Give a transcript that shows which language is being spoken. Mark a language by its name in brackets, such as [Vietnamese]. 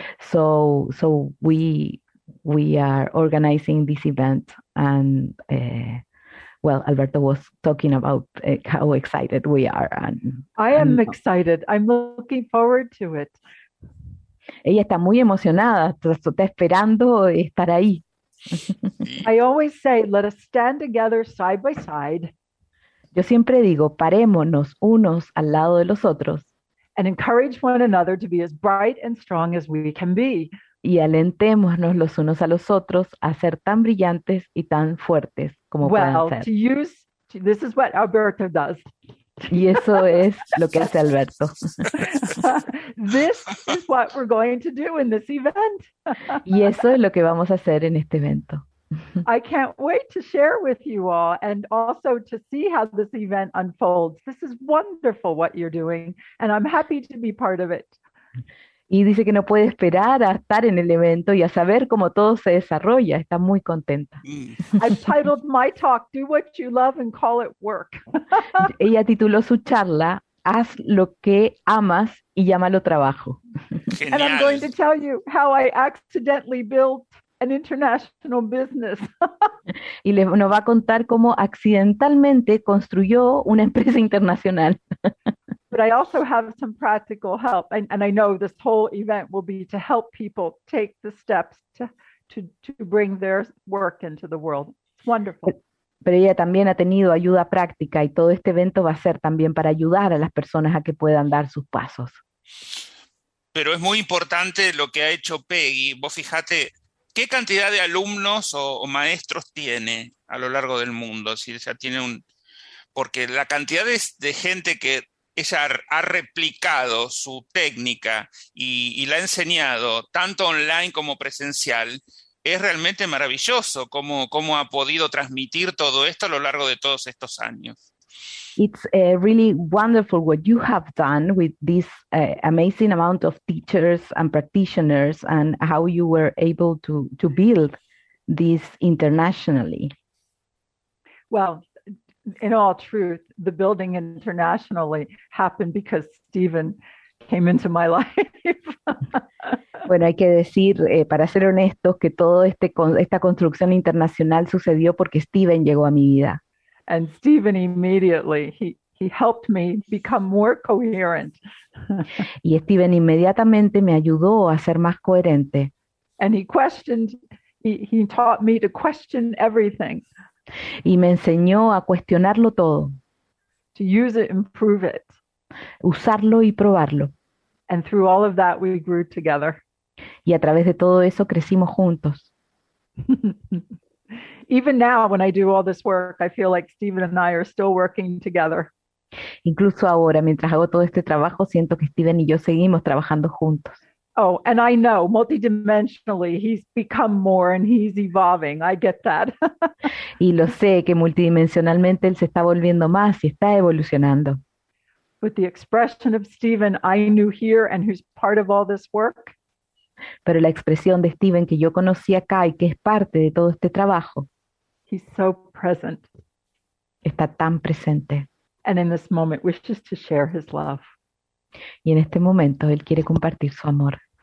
[English] So we are organizing this event, and Alberto was talking about how excited we are. And I am excited. I'm looking forward to it. [Spanish] Ella está muy emocionada, está esperando estar ahí. [English] I always say, let us stand together side by side. [Spanish] Yo siempre digo, parémonos unos al lado de los otros. [English] And encourage one another to be as bright and strong as we can be. [Spanish] Y alentémonos los unos a los otros a ser tan brillantes y tan fuertes como puedan ser. [English] Well, to use, this is what Alberto does. [Spanish] Y eso es lo que hace Alberto. [English] This is what we're going to do in this event. [Spanish] Y eso es lo que vamos a hacer en este evento. [English] I can't wait to share with you all and also to see how this event unfolds. This is wonderful what you're doing and I'm happy to be part of it. [Spanish] Y dice que no puede esperar a estar en el evento y a saber cómo todo se desarrolla. Está muy contenta. [English] I've titled my talk, Do What You Love and Call It Work. [Spanish] Ella tituló su charla, Haz lo que amas y llámalo trabajo. Genial. [English] And I'm going to tell you how I accidentally built an international business. [Spanish] Y le, nos va a contar cómo accidentalmente construyó una empresa internacional. [English] But I also have some practical help, and I know this whole event will be to help people take the steps to bring their work into the world. It's wonderful. [Spanish] Pero ella también ha tenido ayuda práctica, y todo este evento va a ser también para ayudar a las personas a que puedan dar sus pasos. Pero es muy importante lo que ha hecho Peggy. Vos fijate, ¿qué cantidad de alumnos o maestros tiene a lo largo del mundo? Si ya tiene un, porque la cantidad de gente que ella ha replicado su técnica y la ha enseñado tanto online como presencial, es realmente maravilloso cómo ha podido transmitir todo esto a lo largo de todos estos años. [English] It's really wonderful what you have done with this amazing amount of teachers and practitioners and how you were able to build this internationally. Well, in all truth, the building internationally happened because Stephen came into my life. [Spanish] Bueno, hay que decir, para ser honestos, que todo este esta construcción internacional sucedió porque Stephen llegó a mi vida. [English] And Stephen immediately he helped me become more coherent. [Spanish] Y Stephen inmediatamente me ayudó a ser más coherente. [English] And he taught me to question everything. [Spanish] Y me enseñó a cuestionarlo todo. [English] To use it and prove it. [Spanish] Usarlo y probarlo. [English] And through all of that we grew together. [Spanish] Y a través de todo eso crecimos juntos. [English] Even now when I do all this work, I feel like Stephen and I are still working together. [Spanish] Incluso ahora, mientras hago todo este trabajo, siento que Stephen y yo seguimos trabajando juntos. [English] Oh, and I know, multidimensionally, he's become more and he's evolving. I get that. [Spanish] Y lo sé, que multidimensionalmente él se está volviendo más y está evolucionando. [English] But the expression of Stephen I knew here and who's part of all this work. [Spanish] Pero la expresión de Stephen que yo conocí acá y que es parte de todo este trabajo. [English] He's so present. [Spanish] Está tan presente. [English] And in this moment wishes to share his love. [Spanish] Y en este momento él quiere compartir su amor.